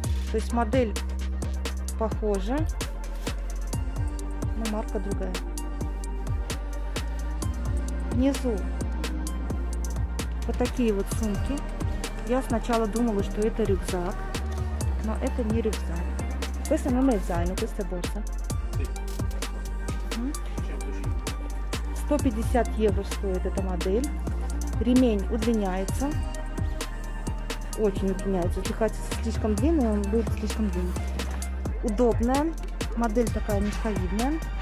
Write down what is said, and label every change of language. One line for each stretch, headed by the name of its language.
Russian: То есть модель похожа, но марка другая. Внизу вот такие вот сумки. Я сначала думала, что это рюкзак, но это не рюкзак.
Italian: Questo non è zaino, questa è borsa. Sì.
Russian: 150 euro стоит эта модель. Ремень удлиняется. Очень удлиняется. Если хотите слишком длинный, он будет слишком длинный. Удобная. Модель такая мешковидная.